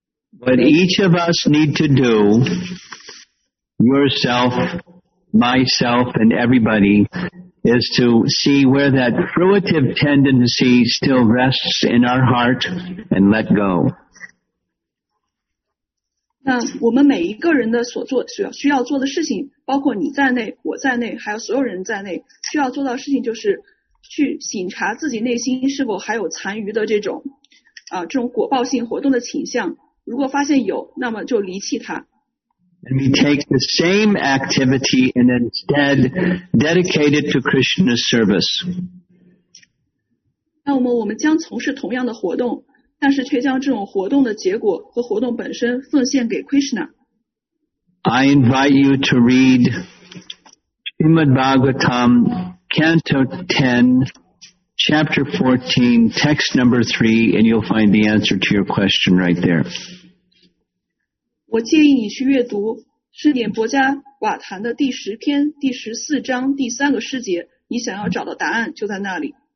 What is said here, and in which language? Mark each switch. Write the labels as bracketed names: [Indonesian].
[English] What each of us need to do, yourself, myself, and everybody, is to see where that fruitive tendency still rests in our heart and let go. [Chinese] 那我们每一个人的所做需要做的事情，包括你在内，我在内，还有所有人在内，需要做到的事情就是去审查自己内心是否还有残余的这种果报性活动的倾向。如果发现有，那么就离弃它。 [English] And we take the same activity and instead dedicate it to Krishna's service. [Chinese] 那我们将从事同样的活动，但是却将这种活动的结果和活动本身奉献给 Krishna。 [English] I invite you to read Srimad Bhagavatam, Canto 10, Chapter 14, Text Number 3, and you'll find the answer to your question right there. [Chinese] 我建议你去阅读《师典博迦瓦坛》的第十篇第十四章第三个诗节，你想要找的答案就在那里。